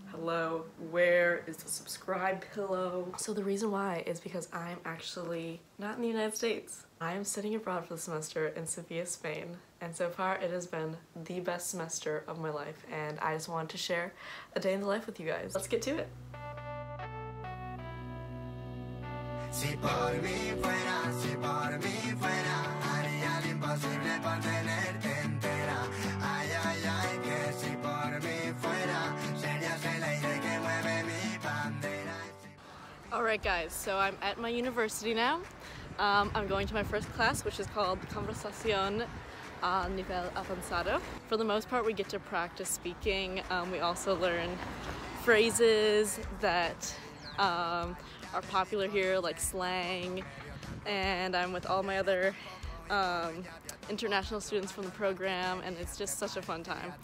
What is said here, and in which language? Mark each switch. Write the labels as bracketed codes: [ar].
[en] Hello, where is the subscribe pillow? So the reason why is because I'm actually not in the United States. I am studying abroad for the semester in Seville, Spain. And so far it has been the best semester of my life and I just wanted to share a day in the life with you guys. Let's get to it. [es] Si por mí fuera, si por mí fuera, haría lo imposible por tenerte entera. Ay, ay, ay, que si por mí fuera, serías el aire que mueve mi bandera. [en] All right, guys, so I'm at my university now. I'm going to my first class, which is called Conversación a Nivel Avanzado. For the most part, we get to practice speaking. We also learn phrases that are popular here, like slang, and I'm with all my other international students from the program, and it's just such a fun time.